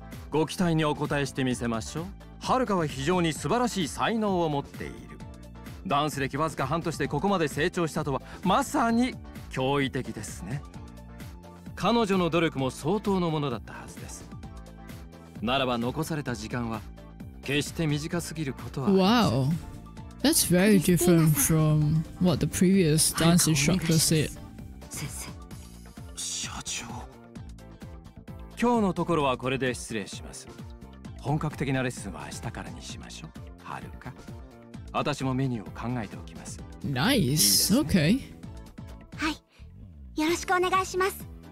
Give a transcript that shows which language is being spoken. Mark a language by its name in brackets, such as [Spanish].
[Japanese] ご期待にお答えしてみせましょう。はるかは非常に素晴らしい才能を持っている。ダンス歴わずか半年でここまで成長したとはまさに驚異的ですね。彼女の努力も相当のものだったはずです。ならば残された時間は決して短すぎることはありません。 [English] Wow, that's very different from what the previous dance instructor said. [Japanese] 先生、社長、今日のところはこれで失礼します。本格的なレッスンは明日からにしましょう、はるか。私もメニューを考えておきます。 [English] ナイス、OK。 [Japanese] はい、よろしくお願いします。